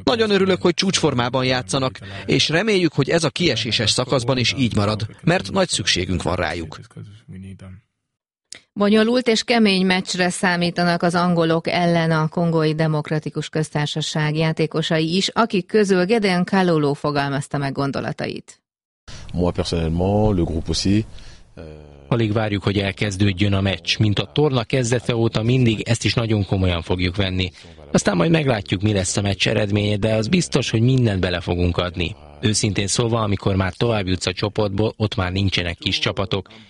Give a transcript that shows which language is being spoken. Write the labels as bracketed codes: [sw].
[hu] Nagyon örülök, hogy csúcsformában játszanak, és reméljük, hogy ez a kieséses szakaszban is így marad, mert nagy szükségünk van rájuk. Bonyolult és kemény meccsre számítanak az angolok ellen a Kongói Demokratikus Köztársaság játékosai is, akik közül Gedeon Kalulu fogalmazta meg gondolatait. [fr] Moi personnellement, le groupe aussi. [hu] Alig várjuk, hogy elkezdődjön a meccs. Mint a torna kezdete óta mindig, ezt is nagyon komolyan fogjuk venni. Aztán majd meglátjuk, mi lesz a meccs eredménye, de az biztos, hogy mindent bele fogunk adni. Őszintén szólva, amikor már tovább jutsz a csoportból, ott már nincsenek kis csapatok.